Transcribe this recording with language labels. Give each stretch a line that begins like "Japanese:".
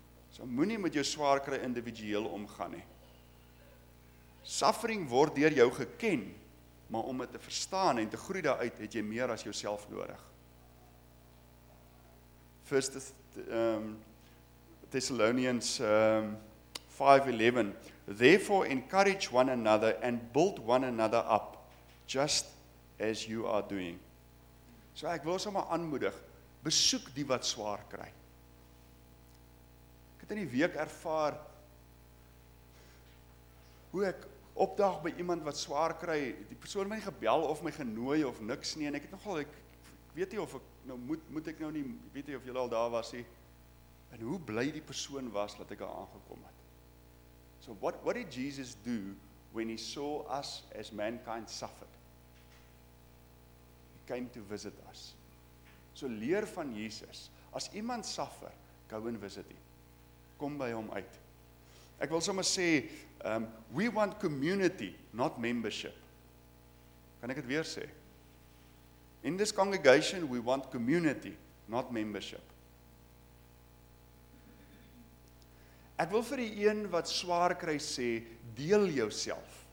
Afrikaans: So moenie met jou swaar kry individueel omgaan nie. Suffering word deur jou geken, maar om dit te verstaan en te groei daaruit, het jy meer as jouself nodig.
English: First Thessalonians 5:11, therefore encourage one another and build one another up, just as you are doing.
Afrikaans: So ek wil sommer aanmoedig, besoek die wat swaar kry. Ek het in die week ervaar hoe ek opdag by iemand wat swaar kry, die persoon het my nie gebel of my genooi of niks nie, en ek het nogal, ek weet nie of ek nou moet ek nou nie, weet nie of julle al daar was nie, en hoe bly die persoon was dat ek daar aangekom het.
English: So what did Jesus do when he saw us as mankind suffered? He came to visit us.
Afrikaans: So leer van Jesus, as iemand suffer,
English: go and visit him.
Afrikaans: Kom by hom uit. Ek wil sommer sê,
English: we want community, not membership.
Afrikaans: Kan ek het weer sê?
English: In this congregation, we want community, not membership.
Afrikaans: Ek wil vir die een wat swaar kry sê, deel jouself.